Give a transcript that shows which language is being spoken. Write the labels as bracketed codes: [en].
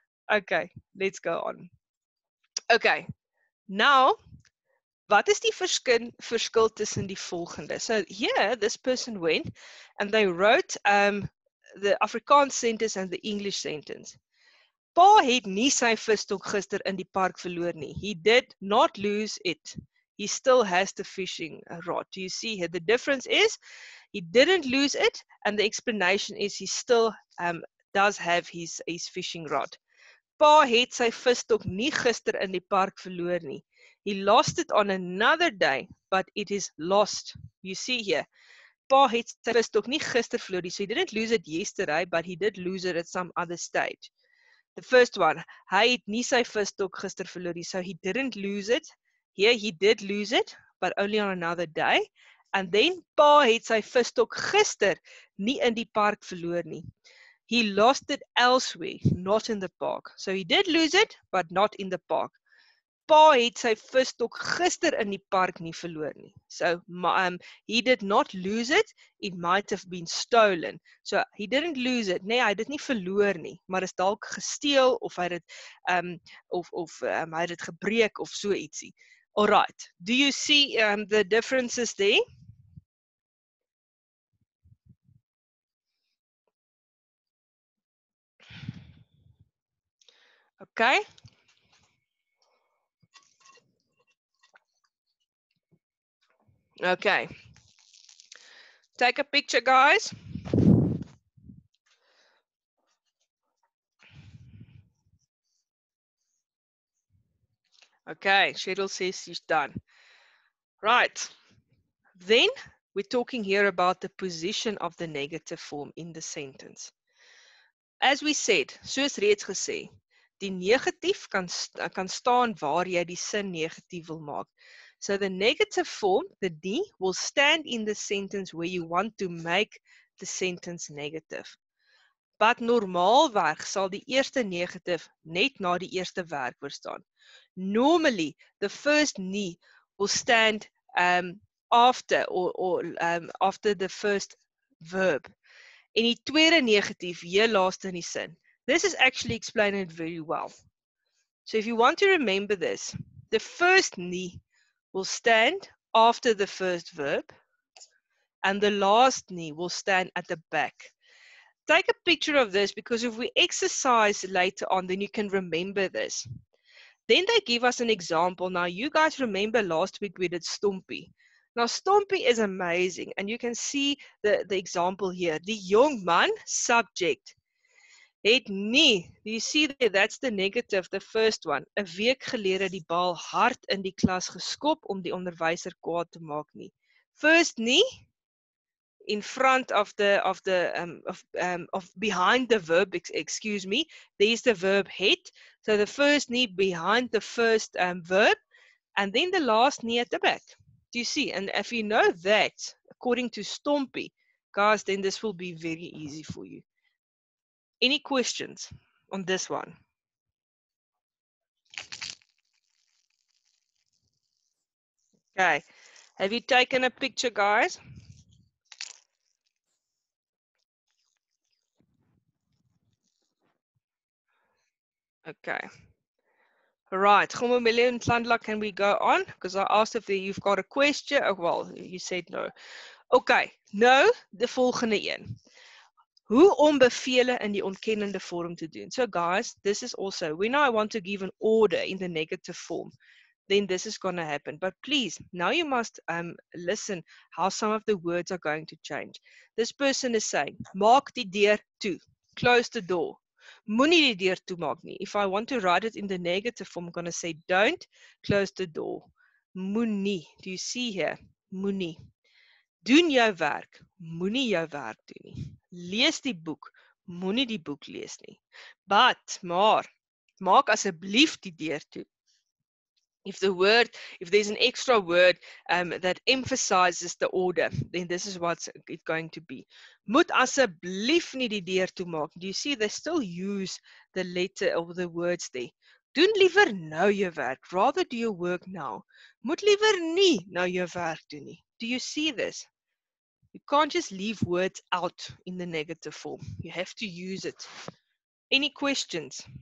[af] Okay, let's go on. Okay, now, wat is die verskil tussen die volgende? [en] So here, this person went and they wrote the Afrikaans sentence and the English sentence. [af] Pa het nie sy visstok gister in die park verloor nie. [en] He did not lose it. He still has the fishing rod. Do you see here? The difference is he didn't lose it, and the explanation is he still does have his fishing rod. [af] Pa het sy visstok nie gister in die park verloor nie. [en] He lost it on another day, but it is lost. You see here. [af] Pa het sy visstok nie gister verloor nie. [en] So he didn't lose it yesterday, but he did lose it at some other stage. The first one, [af] hy het nie sy visstok gister verloor nie. [en] So he didn't lose it. Here he did lose it, but only on another day. [af] And then pa het sy visstok gister nie in die park verloor nie. [en] He lost it elsewhere, not in the park. So he did lose it, but not in the park. [af] Pa het sy visstok gister in die park nie verloor nie. [en] So he did not lose it. It might have been stolen. So he didn't lose it. [af] Nee, hy het nie verloor nie. Maar is dalk gesteel of hy het hy het gebreek of so ietsie. [en] All right. Do you see the differences there? Okay. Okay, take a picture, guys. Okay, Cheryl says she's done. Right, then we're talking here about the position of the negative form in the sentence. As we said, [af] soos reeds gesê, die negatief kan staan waar jy die sin negatief wil maak. [en] So the negative form, the D, will stand in the sentence where you want to make the sentence negative. [af] But normaalweg sal die eerste negative net na die eerste werkwoord staan. [en] Normally, the first nie will stand after the first verb. [af] En die tweede negatief, hier laaste in die sin. [en] This is actually explaining it very well. So if you want to remember this, the first nie will stand after the first verb, and the last knee will stand at the back. Take a picture of this, because if we exercise later on, then you can remember this. Then they give us an example. Now, you guys remember last week we did Stompy. Now, Stompy is amazing, and you can see the example here. The young man, subject. Het nie. Do you see there? That's the negative, the first one. [af] 'N week gelede die bal hard in die klas geskop om die onderwyser kwaad te maak nie. [en] First nie, in front of behind the verb, excuse me, there's the verb het. So the first nie behind the first verb, and then the last nie at the back. Do you see? And if you know that, according to Stompy, guys, then this will be very easy for you. Any questions on this one? Okay, have you taken a picture, guys? Okay. All right, Gomo Million Tlandla, can we go on? Because I asked if you've got a question. Oh, well, you said no. [af] Okay, nou die volgende een. Hoe om bevele in die ontkennende vorm te doen. [en] So guys, this is also, when I want to give an order in the negative form, then this is going to happen. But please, now you must listen how some of the words are going to change. This person is saying, [af] maak die deur toe, [en] close the door. [af] Moenie die deur toe maak nie. [en] If I want to write it in the negative form, I'm going to say, don't close the door. [af] Moenie, [en] do you see here? [af] Moenie. Doen jou werk, moenie jou werk doen nie. Lees die boek, moenie die boek lees nie. Maar maak asseblief die deur toe. [en] If there's an extra word that emphasizes the order, then this is what it's going to be. [af] Moet asseblief nie die deur toe maak. [en] Do you see they still use the letter of the words there? [af] Doen liever nou jou werk, [en] rather do your work now. [af] Moet liever nie nou jou werk doen nie. [en] Do you see this? You can't just leave words out in the negative form. You have to use it. Any questions?